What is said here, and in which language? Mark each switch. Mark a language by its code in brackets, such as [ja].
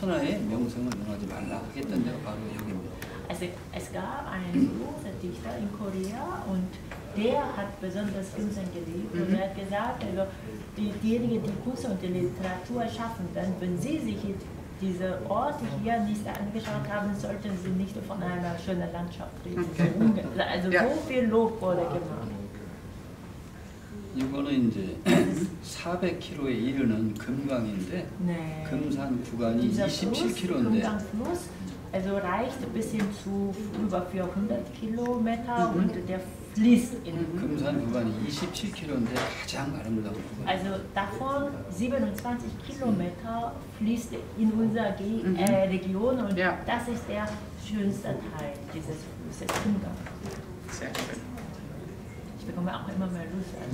[ko] 천하의 명성을 논하지 말라 했던 데가 바로 여기입니다. [de] Also es gab einen großen Dichter in Korea und der hat besonders Ginseng geliebt und er hat gesagt, also diejenigen, die Kunst und die Literatur schaffen, dann, wenn sie sich diese Orte hier nicht angeschaut haben, sollten sie nicht von einer schönen Landschaft reden. Okay. Also so viel Lob wurde gemacht. [ko] 이거는 이제 400km에 이르는 금강인데 네. 금산 구간이 27km인데 [de] Also reicht bis hin zu über 400 km und der fließt in. [ko] 금산 구간이 27km인데 가장 아름다운 구간. [de] Also davon 27km fließt in unserer Region und das ist der schönste Teil dieses Flusses. Sehr schön. Ich bekomme auch immer mehr Lust.